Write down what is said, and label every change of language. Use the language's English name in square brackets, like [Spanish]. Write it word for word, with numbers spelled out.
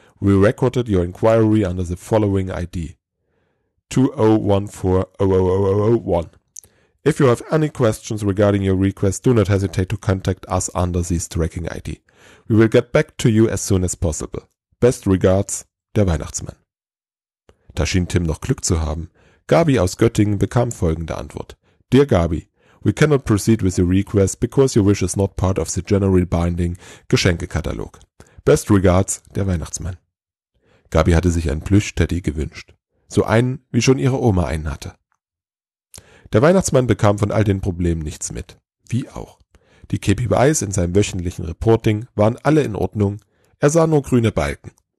[English] We recorded your inquiry under the following I D two zero one four zero zero zero zero one. If you have any questions regarding your request, do not hesitate to contact us under this tracking I D. We will get back to you as soon as possible. Best regards, der Weihnachtsmann. [German] Da schien Tim noch Glück zu haben. Gabi aus Göttingen bekam folgende Antwort. [English] Dear Gabi, we cannot proceed with your request because your wish is not part of the general binding Geschenkekatalog. Best regards, der Weihnachtsmann. [German] Gabi hatte sich einen Plüsch-Teddy gewünscht. So einen, wie schon ihre Oma einen hatte. Der Weihnachtsmann bekam von all den Problemen nichts mit. Wie auch. Die K P Is in seinem wöchentlichen Reporting waren alle in Ordnung, er sah nur grüne Balken.